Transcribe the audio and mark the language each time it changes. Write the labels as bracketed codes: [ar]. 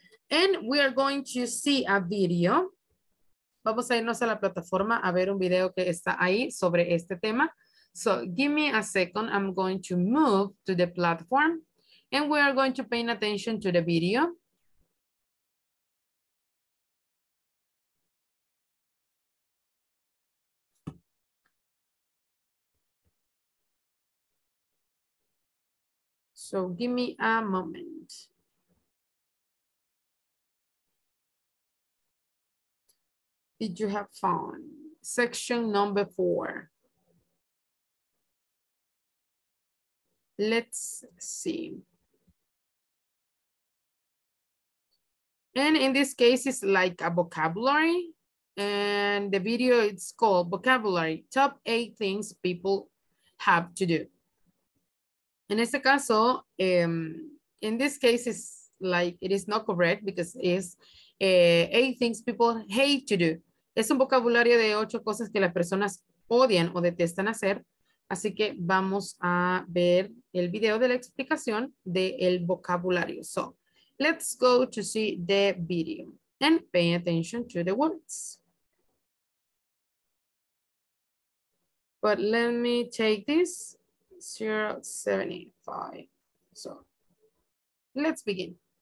[en] And we are going to see a video. [es] Vamos a irnos a la plataforma a ver un video que está ahí sobre este tema. [en] So give me a second. I'm going to move to the platform. And we are going to pay attention to the video. So give me a moment. Did you have fun? Section number 4. Let's see. And in this case, it's like a vocabulary. And the video is called Vocabulary, Top 8 Things People Have to Do. [es] En este caso, [en] in this case, it's like, it is not correct because it's 8 things people hate to do. [es] Es un vocabulario de 8 cosas que las personas odian o detestan hacer. Así que vamos a ver el video de la explicación del vocabulario. [en] So, let's go to see the video and pay attention to the words. But let me take this 075. So, let's begin.